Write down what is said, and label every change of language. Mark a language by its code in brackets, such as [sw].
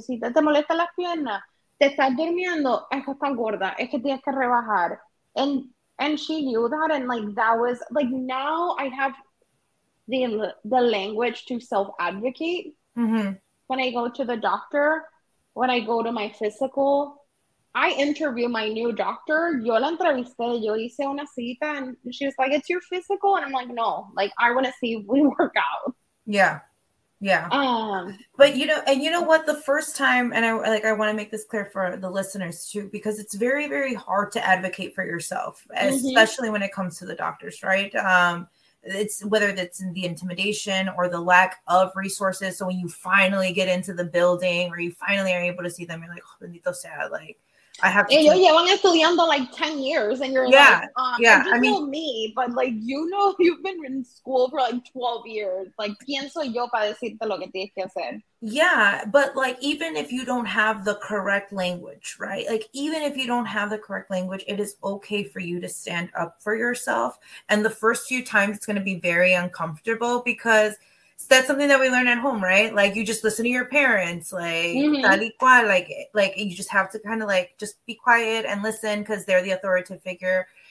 [es] Si te molesta las piernas, te estás durmiendo, es que estás gorda, es que tienes que rebajar. [en] And she knew that, and like that was like, now I have the language to self-advocate mm-hmm. when I go to the doctor, when I go to my physical. I interview my new doctor. Yo la entrevisté, yo hice una cita, and she was like, it's your physical, and I'm like, no, like I want to see if we work out. Yeah. But you know what, the first time, and I want to make this clear for the listeners too, because it's very, very hard to advocate for yourself, mm-hmm. especially when it comes to the doctors, right? It's whether that's the intimidation or the lack of resources. So when you finally get into the building or you finally are able to see them, you're like, oh, bendito sea, like I have to. Yeah, yeah, I've been estudiando like 10 years and you're yeah, like, yeah. I mean, you've been in school for like 12 years. [es] Like, pienso yo para decirte lo que tienes que hacer. [en] Yeah, but like, even if you don't have the correct language, right? Like, even if you don't have the correct language, it is okay for you to stand up for yourself. And the first few times, it's going to be very uncomfortable because that's something that we learn at home, right? Like, you just listen to your parents, like you just have to kind of like just be quiet and listen because they're the authoritative figure.